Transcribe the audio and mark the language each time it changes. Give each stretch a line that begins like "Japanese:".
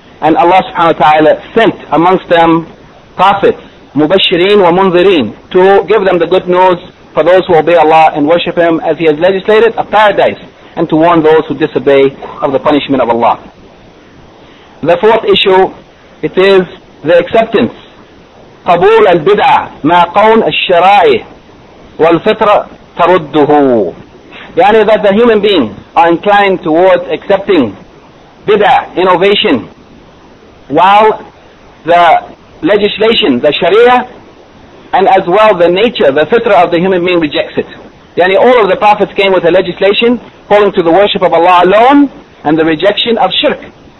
English: And Allah subhanahu wa ta'ala sent amongst them prophets, mubashirin wa munzirin, to give them the good news for those who obey Allah and worship Him as He has legislated, a paradise, and to warn those who disobey of the punishment of Allah. The fourth issue, it is the acceptance.
Arabic: قبول البدعة مع قول الشرائع والفطرة ترده.
English: يعني that the human beings are inclined towards accepting bid'ah, innovation, while the legislation, the sharia, and as well the nature, the fitrah of the human being rejects it. يعني all of the prophets came with a legislation calling to the worship of Allah alone and the rejection of shirk.